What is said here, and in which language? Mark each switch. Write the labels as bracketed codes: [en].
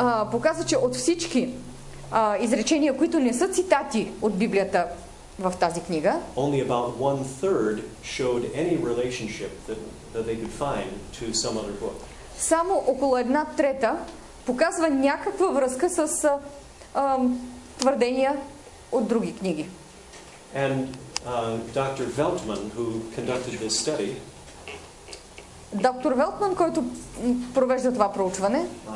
[bg] Показва, че от всички изречения, които не са цитати от Библията в тази книга, [en] only about one third showed any relationship that they could find to some other book. [bg] Само около една трета показва някаква връзка с твърдения от други книги. [en] And Dr. Veltman, who conducted this study, [bg] Доктор Велтман, който провежда това проучване,